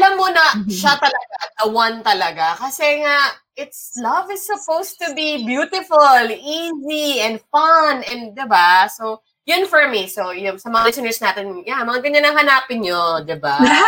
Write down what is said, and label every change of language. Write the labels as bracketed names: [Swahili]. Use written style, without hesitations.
[Filipino] Alam mo na siya talaga, one talaga. Kasi nga, [English] it's love is supposed to be beautiful, easy, and fun. And diba? So, yun for me. [Filipino] So, yun, sa mga listeners natin, yeah, mga ganyan ang hanapin nyo, diba?